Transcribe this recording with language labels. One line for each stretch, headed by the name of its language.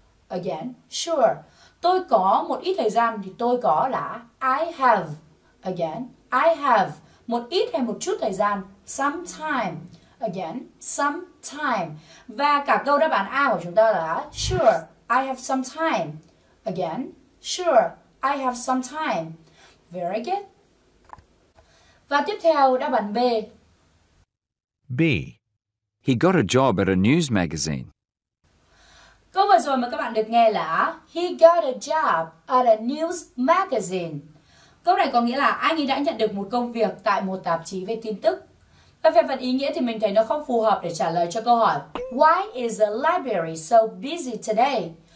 English: Again, sure.
Vietnamese: Tôi có một ít thời gian thì tôi có là
English: I have. Again, I have.
Vietnamese: Một ít hay một chút thời gian,
English: some time. Again, some time.
Vietnamese: Và cả câu đáp án A của chúng ta là
English: sure, I have some time. Again, sure, I have some time. Very good.
Vietnamese: Và tiếp theo đáp án B.
English: B. He got a job at a news magazine.
Vietnamese: Câu vừa rồi mà các bạn được nghe là
English: he got a job at a news magazine.
Vietnamese: Câu này có nghĩa là anh ấy đã nhận được một công việc tại một tạp chí về tin tức. Và về phần ý nghĩa thì mình thấy nó không phù hợp để trả lời cho câu hỏi
English: Why is the library so busy today?